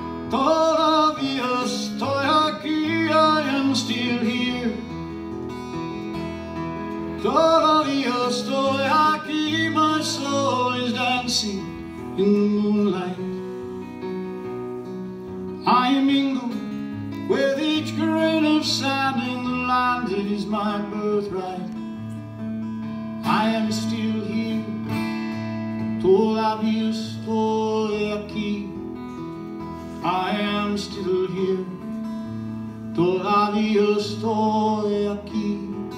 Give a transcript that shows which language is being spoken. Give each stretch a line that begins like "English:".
Spanish: Todavía estoy aquí,
English: I am still here.
Spanish: Todavía estoy aquí,
English: my soul is dancing in the moonlight. I mingle with each grain of sand in the land, it is my birthright. I am still here,
Spanish: todavía estoy aquí.
English: I am still here,
Spanish: todavía estoy aquí.